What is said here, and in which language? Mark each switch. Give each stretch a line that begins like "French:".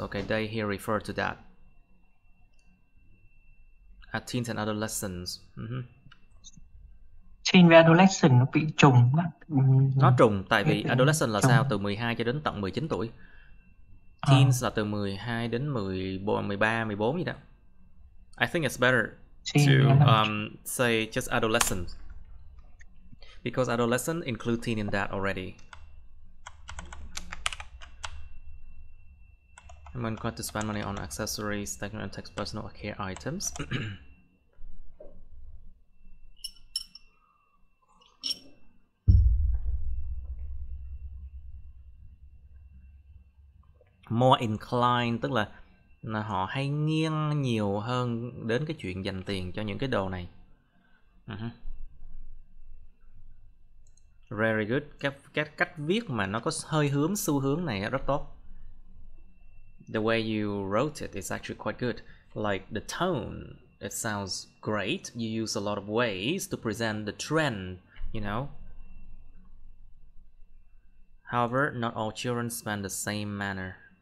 English: Okay, they here refer to that. At teens and adolescents.
Vietnamese: Teen và adolescent nó bị trùng. Nó trùng tại vì adolescent là sao? Từ 12 cho đến tận 19 tuổi. Teens là từ 12 đến 13, 14 gì đó.
English: I think it's better to say just adolescent. Because adolescent include teen in that already. I'm going to spend money on accessories, technical and text personal care items. More inclined,
Vietnamese: tức là họ hay nghiêng nhiều hơn đến cái chuyện dành tiền cho những cái đồ này.
English: Very good.
Vietnamese: Các cách viết mà nó có hơi hướng xu hướng này rất tốt.
English: The way you wrote it is actually quite good. Like the tone, it sounds great. You use a lot of ways to present the trend, you know. However, not all children spend the same manner.